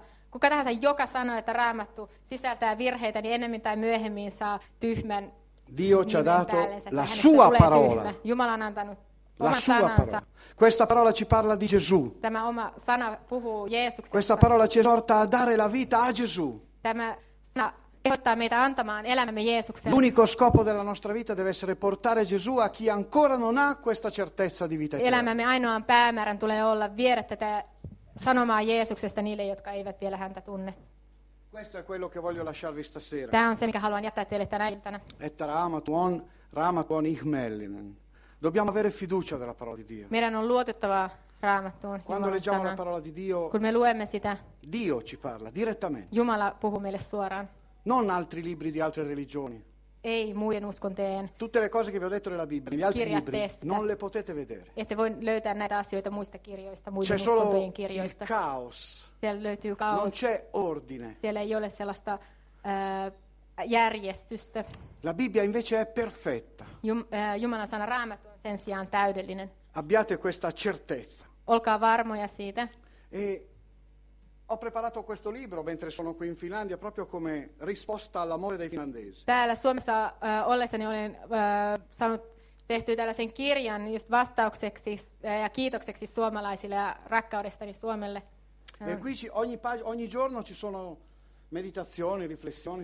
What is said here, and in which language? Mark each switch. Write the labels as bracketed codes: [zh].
[fi] Kuka tahansa, joka sanoo, että Raamattu sisältää virheitä, niin ennemmin tai myöhemmin saa tyhmän. [it] Dio ci ha dato la sua parola. [fi] Jumala on antanut. [it] La sua parola. Questa parola ci parla di Gesù. [fi] Tämä oma sana puhuu Jeesuksesta. [it] Questa parola ci esorta a dare la vita a Gesù. [fi] Tämä sana kehottaa meitä antamaan elämämme Jeesukselle. [it] L'unico scopo della nostra vita deve essere portare Gesù a chi ancora non ha questa certezza di vita eterna. [fi] Elämämme ainoan päämäärän tulee olla viedä tätä sanomaa Jeesuksesta niille, jotka eivät vielä häntä tunne. [it] Questo è quello che voglio lasciarvi stasera. [fi] Tämä on se, mikä haluan jättää teille tänä iltana. Että Raamatu on ihmeellinen. [it] Dobbiamo avere fiducia della parola di Dio. [fi] Meidän on luotettava Raamattuun. [it] Quando leggiamo la parola di Dio, [fi] kun me luemme sitä, [it] Dio ci parla direttamente. [fi] Jumala puhuu meille suoraan. [it] Non altri libri di altre religioni. [fi] Ei muiden uskonteen. [it] Tutte le cose che vi ho detto nella Bibbia, gli altri libri, testa. Non le potete vedere. [fi] Ette voi löytää näitä asioita muista kirjoista, muiden uskontojen kirjoista. [it] C'è solo il caos. [fi] Siellä löytyy kaos. [it] Non c'è ordine. [fi] Siellä ei ole sellaista järjestystä. [it] La Bibbia invece è perfetta. [fi] Jumalan sana Raamattu on sen sijaan täydellinen. [it] Abbiate questa certezza. [fi] Olkaa varmoja siitä. [it] E ho preparato questo libro mentre sono qui in Finlandia proprio come risposta all'amore dei finlandesi. [fi] Täällä Suomessa ollessani olen saanut tehtyä tällaisen kirjan just vastaukseksi ja kiitokseksi suomalaisille ja rakkaudestani Suomelle. [it] E qui ogni giorno ci sono meditazioni, riflessioni.